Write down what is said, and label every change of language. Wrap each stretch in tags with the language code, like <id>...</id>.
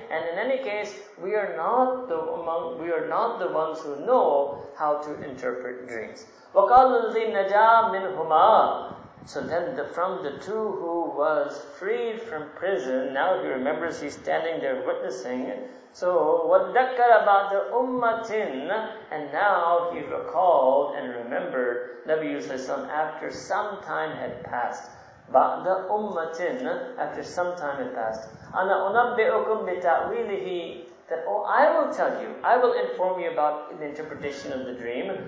<en>And in any case, we are not the ones who know how to interpret dreams.</en> <ar>وَقَالُ الَّذِي نَجَى مِنْهُمَا.</ar> <en>So then from the two who was freed from prison, now he remembers he's standing there witnessing. So</en> <ar>وَدَّكَّرَ بَعْدَ أُمَّةٍ.</ar> <en>And now he recalled and remembered Nabi Yusuf after some time had passed.</en> <ar>بَعْدَ أُمَّةٍ.</ar> <en>After some time had passed.</en> <ar>أَنَا أُنَبِّئُكُمْ بِتَعْوِيلِهِ.</ar> <en>That, oh, I will tell you, I will inform you about the interpretation of the dream.</en>